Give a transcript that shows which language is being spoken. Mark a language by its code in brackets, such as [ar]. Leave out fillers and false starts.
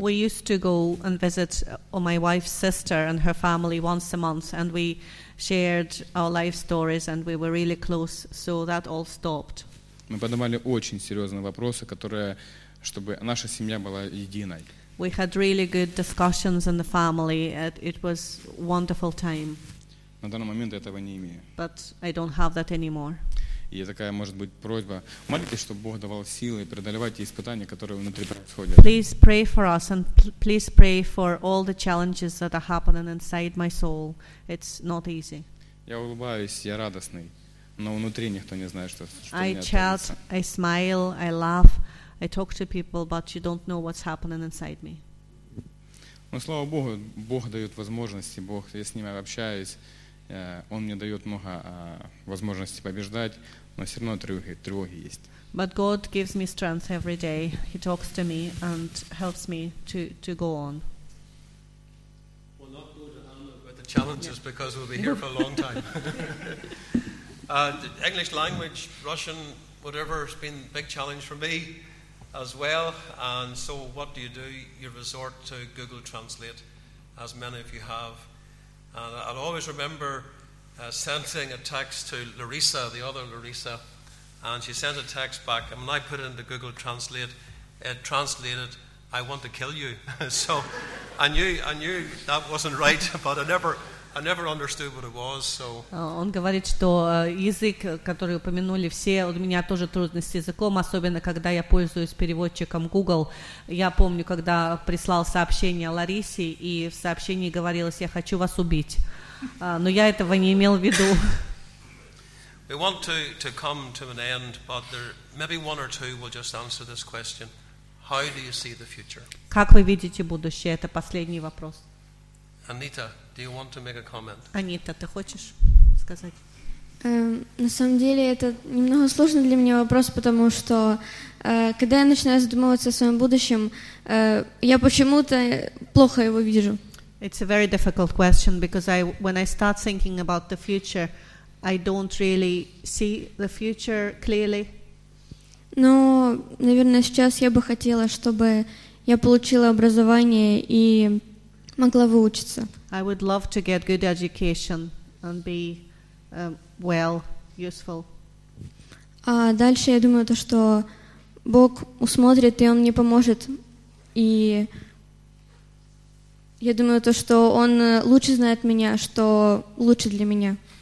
[en] We used to go and visit my wife's sister and her family once a month, and we shared our life stories, and we were really close, so that all stopped. [ru] Мы поднимали очень серьезные вопросы, которые, чтобы наша семья была единой. [en] We had really good discussions in the family. It was wonderful time. [ru] На данный момент этого не имею. [en] But I don't have that anymore. [ru] И такая может быть просьба. Молитесь, чтобы Бог давал силы преодолевать те испытания, которые внутри происходят. [en] Please pray for us and please pray for all the challenges that are happening inside my soul. It's not easy. [ru] Я улыбаюсь, я радостный, но внутри никто не знает, что меня творится. [en] I chat, I smile, I laugh, I talk to people, but you don't know what's happening inside me. [ru] Но слава Богу, Бог дает возможности, Бог, я с ними общаюсь, Он мне дает много возможностей побеждать, но все равно тревоги есть. [en] But God gives me strength every day. He talks to me and helps me to go on. We'll not go to Hamlet with the challenges because we'll be here for a long time. English language, Russian, whatever, has been a big challenge for me as well. And so what do? You resort to Google Translate, as many of you have. And I'll always remember sending a text to Larissa, the other Larissa, and she sent a text back, and when I put it into Google Translate, it translated, "I want to kill you." So I knew that wasn't right, but I never understood what it was. So. [ru] Он говорит, что язык, который упомянули все, у меня тоже трудности с языком, особенно когда я пользуюсь переводчиком Google. Я помню, когда прислал сообщение Ларисе, и в сообщении говорилось, я хочу вас убить. Но я этого не имел в виду. [en] We want to come to an end, but there maybe one or two will just answer this question. How do you see the future? [ru] Как вы видите будущее? Это последний вопрос. [en] Anita, do you want to make a comment? [ru] Anita, ты хочешь сказать? На самом деле, это немного сложный для меня вопрос, потому что когда я начинаю задумываться о своем будущем, я почему-то плохо его вижу. [en] It's a very difficult question because when I start thinking about the future, I don't really see the future clearly. [ru] Но, наверное, сейчас я бы хотела, чтобы я получила образование и могла выучиться. [en] I would love to get good education and be well, useful. [ru] А дальше я думаю то, что Бог усмотрит и Он мне поможет. И я думаю то, что Он лучше знает меня, что лучше для меня.